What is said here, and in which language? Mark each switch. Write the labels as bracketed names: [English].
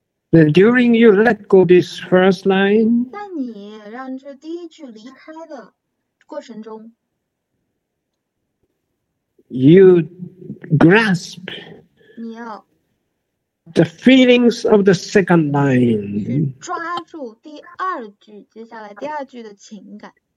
[English] then during you let go this first line, [Chinese] 那你让这第一句离开的过程中, [English] you grasp the feelings of the second line. [Chinese] 抓住第二句, 接下来第二句的情感,